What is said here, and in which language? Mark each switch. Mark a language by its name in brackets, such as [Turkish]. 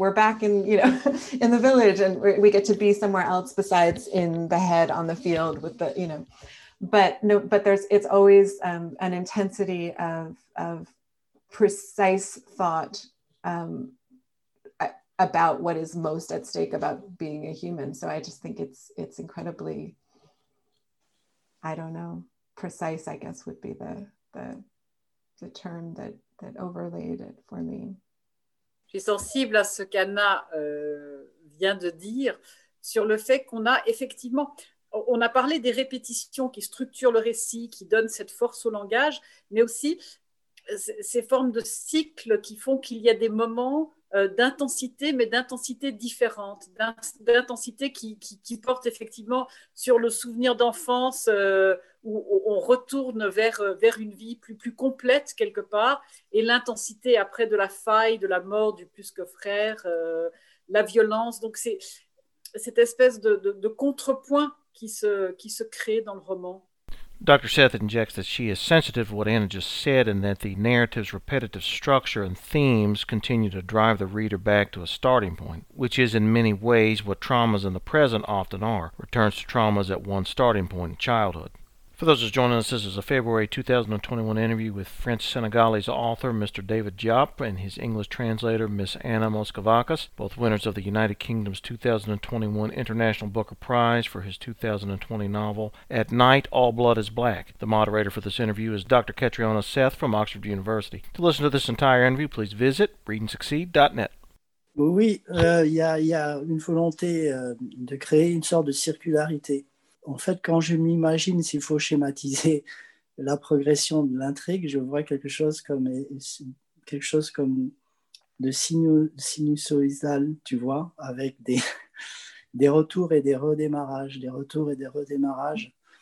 [English] We're back in, you know, in the village, and we get to be somewhere else besides in the head on the field with the, you know, but it's always an intensity of precise thought about what is most at stake about being a human. So I just think it's incredibly, I don't know, precise, I guess would be the term that overlaid it for me. [French] Je suis sensible à ce qu'Anna vient de dire sur le fait qu'on a effectivement, on a parlé des répétitions qui structurent le récit, qui donnent cette force au langage, mais aussi ces formes de cycles qui font qu'il y a des moments d'intensité, mais d'intensité différente, d'intensité qui porte effectivement sur le souvenir d'enfance où on retourne vers une vie plus complète quelque part, et l'intensité après de la faille, de la mort du plus que frère, la violence. Donc c'est cette espèce de contrepoint qui se crée dans le roman. [English] Dr. Seth injects that she is sensitive to what Anna just said, and that the narrative's repetitive structure and themes continue to drive the reader back to a starting point, which is in many ways what traumas in the present often are, returns to traumas at one starting point in childhood. For those who are joining us, this is a February 2021 interview with French-Senegalese author Mr. David Diop and his English translator Ms. Anna Moscovakis, both winners of the United Kingdom's 2021 International Booker Prize for his 2020 novel At Night, All Blood is Black. The moderator for this interview is Dr. Catriona Seth from Oxford University. To listen to this entire interview, please visit readandsucceed.net. [French] Oui, il y a une volonté de créer une sorte de circularité. En fait, quand je m'imagine, s'il faut schématiser la progression de l'intrigue, je vois quelque chose comme de sinusoïdal, tu vois, avec des retours et des redémarrages, des retours et des redémarrages.